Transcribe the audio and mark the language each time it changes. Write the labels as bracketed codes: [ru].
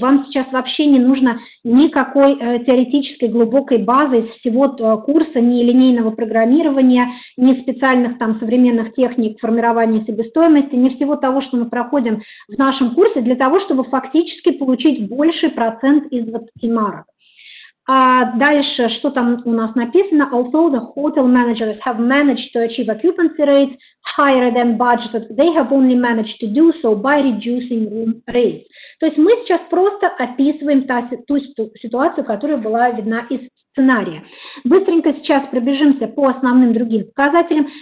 [ru] Вам сейчас вообще не нужно никакой теоретической глубокой базы из всего курса ни линейного программирования, ни специальных там современных техник формирования себестоимости, ни всего того, что мы проходим в нашем курсе, для того, чтобы фактически получить больше процент из 20 марок. А дальше, что там у нас написано? [en] Although the hotel managers have managed to achieve occupancy rates higher than budgeted, they have only managed to do so by reducing room rates. [ru] То есть мы сейчас просто описываем ту ситуацию, которая была видна из сценария. Быстренько сейчас пробежимся по основным другим показателям.